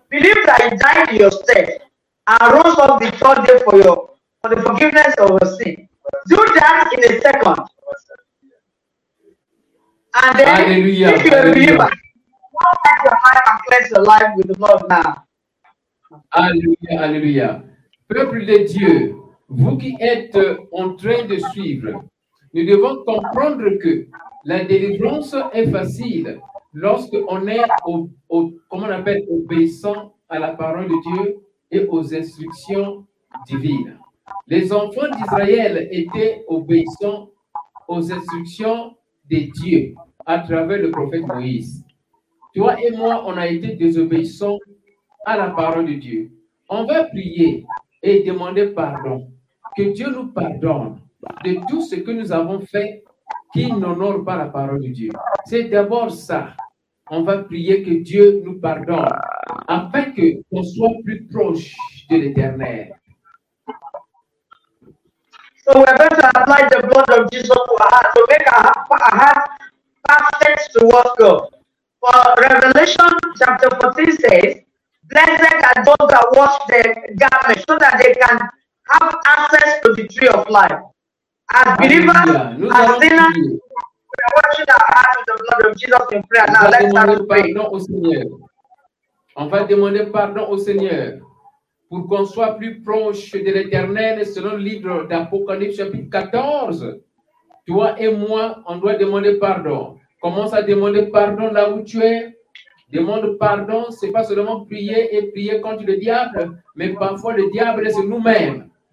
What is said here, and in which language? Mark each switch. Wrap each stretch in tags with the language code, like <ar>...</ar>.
<en>Believe that He died in your stead and rose up the third day for the forgiveness of your sin. Do that in a second. And then, Alleluia, if you're a believer, come back to your heart and cleanse your life with the Lord now. Hallelujah, hallelujah.</en> <fr>Peuple de Dieu, vous qui êtes en train de suivre, nous devons comprendre que la délivrance est facile lorsque on est obéissant à la parole de Dieu et aux instructions divines. Les enfants d'Israël étaient obéissants aux instructions de Dieu à travers le prophète Moïse. Toi et moi, on a été désobéissants à la parole de Dieu. On va prier et demander pardon. Que Dieu nous pardonne de tout ce que nous avons fait qui n'honore pas la parole de Dieu. C'est d'abord ça. On va prier que Dieu nous pardonne afin que on soit plus proche de l'Éternel.</fr> <en>So we are going to apply the blood of Jesus to our heart to make our heart perfect towards God. For Revelation chapter 14 says, blessed are those that wash their garments so that they can have access to the tree of life. As believers, as sinners, we are washing our hearts with the blood of Jesus in prayer. Now let's start to pray.</en> <fr>Pardon au Seigneur. On va demander pardon au Seigneur pour qu'on soit plus proche de l'Éternel selon le livre d'Apocalypse chapitre 14. Toi et moi, on doit demander pardon. Commence à demander pardon là où tu es. Demande pardon, c'est pas seulement prier et prier contre le diable, mais parfois le diable, c'est nous-mêmes.</fr>